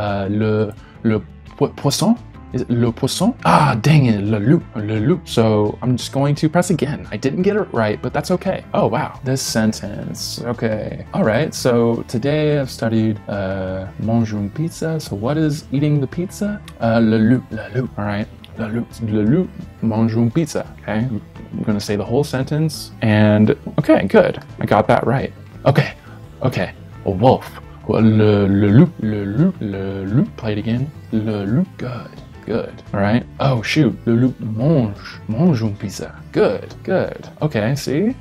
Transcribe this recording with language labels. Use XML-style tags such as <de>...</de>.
<fr>Le poisson?</fr> <en>Is it</en> <fr>le poisson?</fr> <en>Ah, dang it,</en> <fr>le loup.</fr> <en>So I'm just going to press again. I didn't get it right, but that's okay. Oh, wow. This sentence, okay. All right, so today I've studied</en> <fr>mange une pizza.</fr> <en>So what is eating the pizza?</en> <fr>Le loup.</fr> <en>All right,</en> <fr>le loup, mange une pizza.</fr> <en>Okay, I'm gonna say the whole sentence and okay, good. I got that right. Okay, a wolf.</en> <fr>Le loup.</fr> <en>Play it again. Le loup, good. All right. Oh, shoot.</en> <fr>Le loup mange une pizza.</fr> <en>Good. Okay, see?</en>